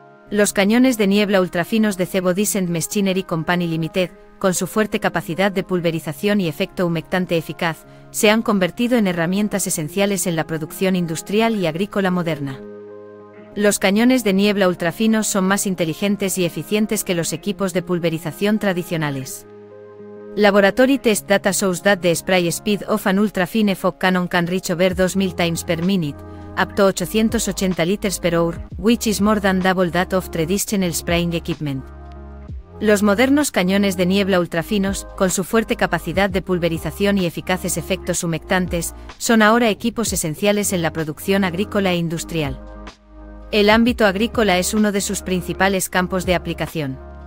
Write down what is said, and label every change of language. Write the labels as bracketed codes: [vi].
[es] Los cañones de niebla ultrafinos de ZIBO Decent Machinery Company Limited, con su fuerte capacidad de pulverización y efecto humectante eficaz, se han convertido en herramientas esenciales en la producción industrial y agrícola moderna. Los cañones de niebla ultrafinos son más inteligentes y eficientes que los equipos de pulverización tradicionales. [en] Laboratory test data shows that the spray speed of an ultrafine fog cannon can reach over 2000 times per minute, up to 880 liters per hour, which is more than double that of traditional spraying equipment. [es] Los modernos cañones de niebla ultrafinos, con su fuerte capacidad de pulverización y eficaces efectos humectantes, son ahora equipos esenciales en la producción agrícola e industrial. El ámbito agrícola es uno de sus principales campos de aplicación.